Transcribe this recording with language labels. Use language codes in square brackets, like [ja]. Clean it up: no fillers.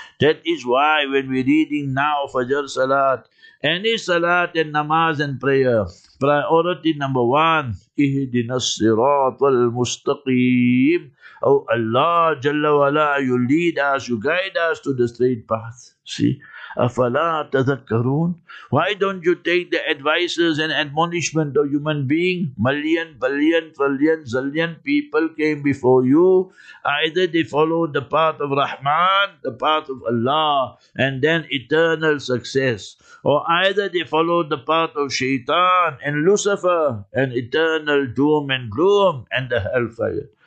[en] That is why when we're reading now Fajr Salat, any Salat and Namaz and prayer, priority number one, [ar] اِهْدِنَا الصِّرَاطَ الْمُسْتَقِيمِ. [en] Oh Allah, Jalla Wala, you lead us, you guide us to the straight path. See, [ar] أَفَلَا تَذَكَّرُونَ. [en] Why don't you take the advices and admonishment of human being? Million, billion, trillion, zillion people came before you. Either they followed the path of Rahman, the path of Allah, and then eternal success. Or either they followed the path of Shaitan and Lucifer, and eternal doom and gloom and the hellfire.